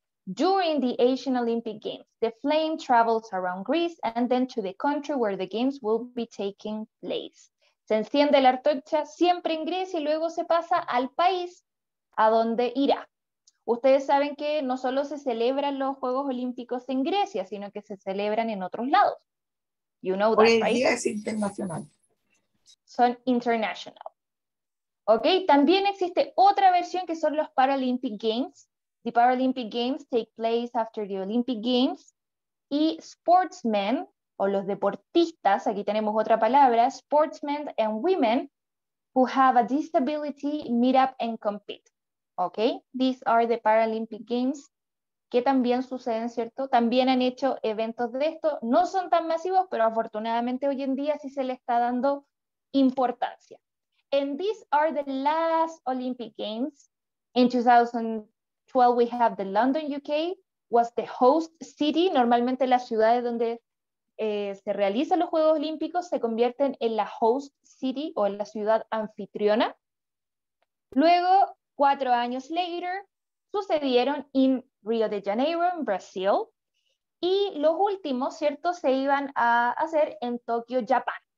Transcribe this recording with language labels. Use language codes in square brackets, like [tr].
[en] During the Asian Olympic Games, the flame travels around Greece and then to the country where the games will be taking place. [es] Se enciende la antorcha siempre en Grecia y luego se pasa al país a donde irá. Ustedes saben que no solo se celebran los Juegos Olímpicos en Grecia, sino que se celebran en otros lados. [en] You know that, right? [es] Hoy día es internacional. Son international. Ok, también existe otra versión que son los Paralympic Games. [en] The Paralympic Games take place after the Olympic Games. [es] Y [en] sportsmen, [es] o los deportistas, aquí tenemos otra palabra, [en] sportsmen and women who have a disability meet up and compete. ¿ok? These are the Paralympic Games, [es] que también suceden, ¿cierto? También han hecho eventos de esto. No son tan masivos, pero afortunadamente hoy en día sí se le está dando importancia. [en] And these are the last Olympic Games. In 2012, we have the London, UK, was the host city. [es] Normalmente las ciudades donde se realizan los Juegos Olímpicos se convierten en la host city o en la ciudad anfitriona. Luego, 4 años later, sucedieron en Rio de Janeiro, en Brasil. Y los últimos, ¿cierto?, se iban a hacer en Tokio, Japón.